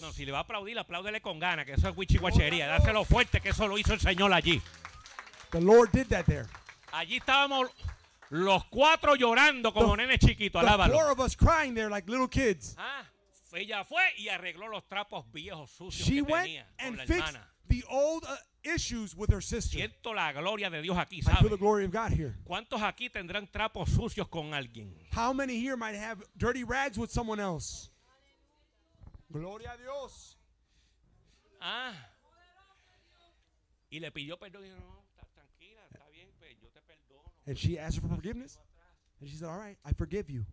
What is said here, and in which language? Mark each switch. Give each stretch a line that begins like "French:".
Spanish: No, si le va a aplaudir, apláudele con ganas, que eso es wichiguachería. Dáselo fuerte, que eso lo hizo el Señor allí.
English: The Lord did that there.
Spanish: Allí estábamos los cuatro llorando como nenes chiquitos. Alábalo.
English: The four of us crying there like little kids.
Spanish: Ella fue y arregló los trapos viejos sucios
English: she
Spanish: que tenía con la hermana.
English: She went and fixed the old issues with her sister.
Spanish: Siento la gloria de Dios aquí,
English: ¿sabes? I feel the glory of God here.
Spanish: ¿Cuántos aquí tendrán trapos sucios con alguien?
English: How many here might have dirty rags with someone else?
Spanish: Gloria a Dios. Y le pidió perdón. Y dijo, no, tranquila, está bien, pues, yo te perdono.
English: And she asked for forgiveness. And she said, all right, I forgive you.